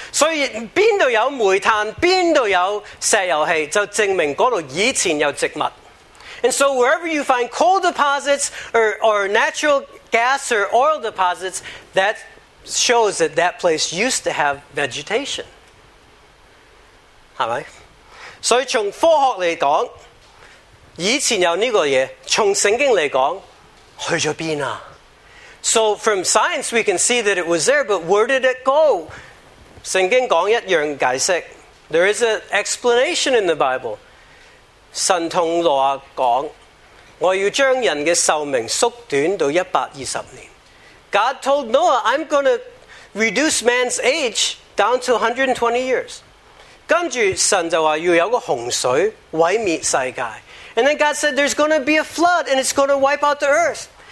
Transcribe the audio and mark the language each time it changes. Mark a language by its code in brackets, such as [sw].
[zh] 所以哪里有煤炭，哪里有石油气，就证明那里以前有植物。 [en] And so wherever you find coal deposits or natural gas or oil deposits, that shows that that place used to have vegetation. [zh] 是吧? 所以从科学来讲, 以前有这个东西, 从圣经来讲, 去了哪? [en] So from science, we can see that it was there, but where did it go? [zh] 圣经讲一样解释, [en] there is an explanation in the Bible. [zh] 神同罗亚讲, 我要将人的寿命缩短到120年。 [en] God told Noah, I'm going to reduce man's age down to 120 years. [zh] 接着神就说要有个洪水毁灭世界。 [en] And then God said, there's going to be a flood and it's going to wipe out the earth.